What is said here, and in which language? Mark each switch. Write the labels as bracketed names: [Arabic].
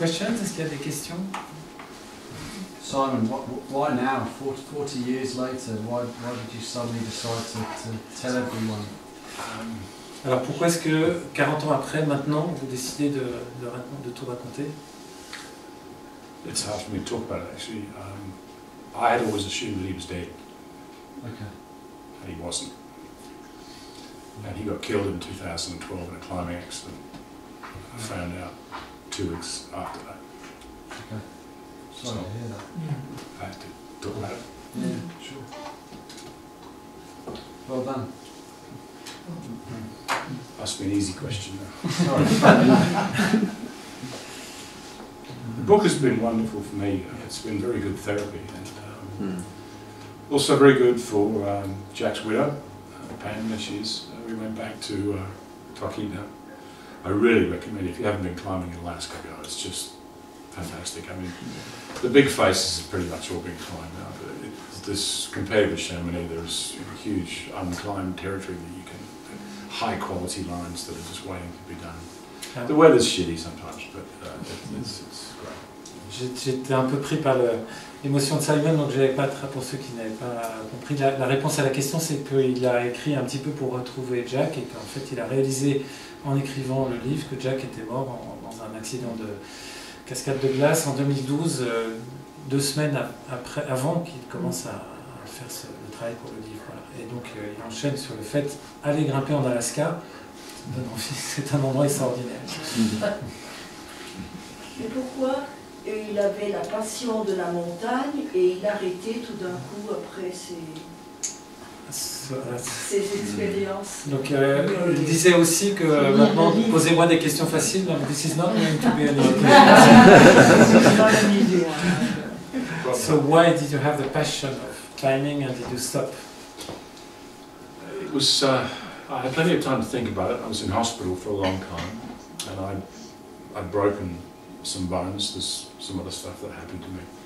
[French] Est-ce qu'il y a des questions? [English] Simon, why now, 40 years later, why did you suddenly decide to tell everyone? [French] Alors, pourquoi est-ce que 40 ans après, maintenant, vous décidez de tout raconter? [English] It's hard for me to talk about it, actually. I had always assumed that he was dead. Okay. And he wasn't. And he got killed in 2012 in a climbing accident. I found out 2 weeks after that. Okay. Sorry to hear that. Yeah. I had to talk about it. Yeah, sure. Well done. Must be an easy question now. Sorry. The book has been wonderful for me. It's been very good therapy. And also very good for Jack's widow, Pam, as she is. We went back to Tokina. I really recommend it. If you haven't been climbing in Alaska, go. It's just fantastic. I mean, the big faces have pretty much all been climbed now, but this, compared with Chamonix, there's huge unclimbed territory that you can, high quality lines that are just waiting to be done. The weather's shitty sometimes, but it's great. [French] J'étais un peu pris par l'émotion de Simon, donc j'avais pas trop, pour ceux qui n'avaient pas compris, la réponse à la question, c'est qu'il a écrit un petit peu pour retrouver Jack, et qu'en fait il a réalisé en écrivant le livre que Jack était mort dans un accident de cascade de glace en 2012, deux semaines avant qu'il commence à faire le travail pour le livre. Voilà. Et donc il enchaîne sur le fait d'aller grimper en Alaska, c'est un endroit extraordinaire. Mais pourquoi? Et il avait la passion de la montagne et il arrêtait tout d'un coup après ses expériences. Donc il disait aussi que maintenant, posez-moi des questions faciles. [English] Donc, this is not going to be an easy question. So why did you have the passion of climbing and did you stop? It was, I had plenty of time to think about it. I was in hospital for a long time and I'd broken some bones, there's some other stuff that happened to me.